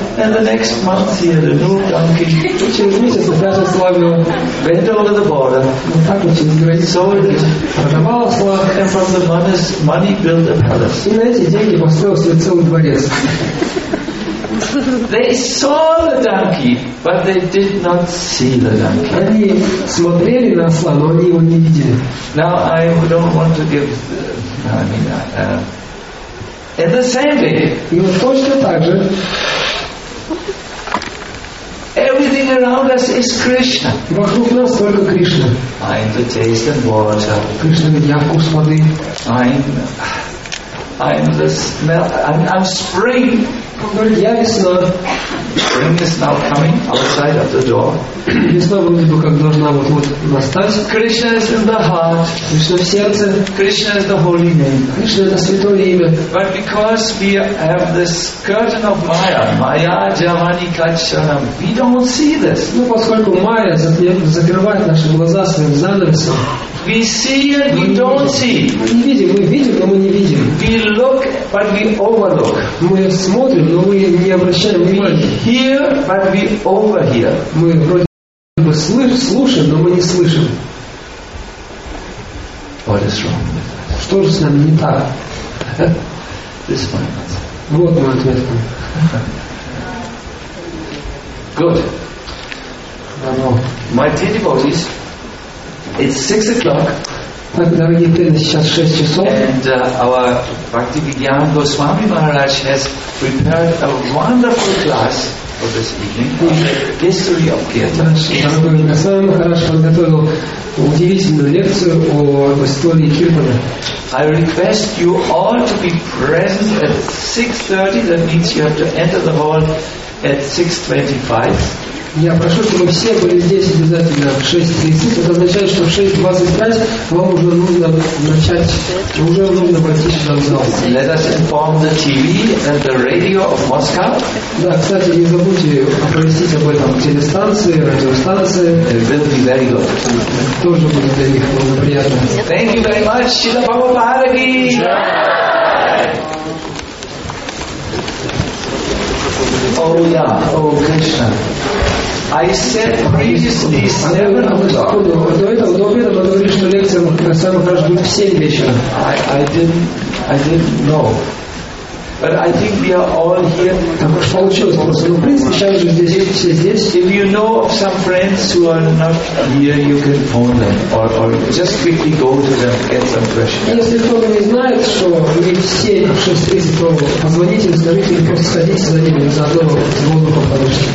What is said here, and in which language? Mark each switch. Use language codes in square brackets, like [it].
[en] And the next month he had a new donkey. [ru] И через месяц опять осла вел. [en] Went over the border. [ru] Вот так вот через границу. [en] Sold it. [ru] Продавал осла. [en] And from the money built a palace. [ru] И на эти деньги построил себе целый дворец. [en] They saw the donkey, but they did not see the donkey. [ru] Они смотрели на осла, но они его не видели. [en] Now I don't want to give. In the same way. [ru] И вот точно так же. [en] Everything around us is Krishna. [ru] Вокруг нас только Кришна. [en] Mind the taste and water. [ru] Кришна ведь на вкус воды. [en] I'm the smell. I'm spring. Spring is now coming outside of the door. [ru] Весна вроде бы как должна вот настать. [en] Krishna is in the heart. [ru] Krishna в сердце. [en] Krishna is the holy name. [ru] Krishna это святое имя. [en] But because we have this curtain of Maya, Maya Javani Kacchanam, we don't see this. [ru] Ну поскольку Maya закрывает наши глаза своим занавесом. [en] We see and we don't see. [ru] Мы не видим, мы видим, но мы не видим. [en] We look, but we overlook. [ru] Мы смотрим, но мы не обращаем внимания. [en] We hear, but we overhear. [ru] Мы вроде бы слушаем, но мы не слышим. [en] What is wrong with us? [ru] Что же с нами не так? [en] This one. [ru] Вот мой ответ. [en] Good. My dear devotees. It's 6 o'clock. [ru] Так, дорогие преданные, сейчас 6 часов. [en] And our Bhaktivedanta Goswami Maharaj has prepared a wonderful class for this evening. History of [ru] Kirtan. Goswami Maharaj подготовил удивительную лекцию об истории Киртана. [en] I request you all to be present at 6:30. That means you have to enter the hall at 6:25. [ru] Я прошу, чтобы все были здесь обязательно в 6:30. Это означает, что в 6:25 вам уже нужно начать, уже нужно пойти сюда в зал. [en] Let us inform the TV and the radio of Moscow. [ru] Да, кстати, не забудьте оповестить об этом телестанции, радиостанции. [en] It will be very good. [ru] Тоже будет для них много приятно. [en] Thank you very much. Shila Baba Bharagi. Oh yeah, oh Krishna. I said previously 7 o'clock. I didn't know. But I think we are all here. [ru] Так уж получилось, просто мы, в принципе, сейчас же здесь, все здесь. [en] If you know of some friends who are not here, you can phone them or just quickly go to them, get some fresh air. [ru] Если кто-то не знает, что мы все в 6:30 позвоните, скажите, просто сходите за ними, заодно с воздухом подышите.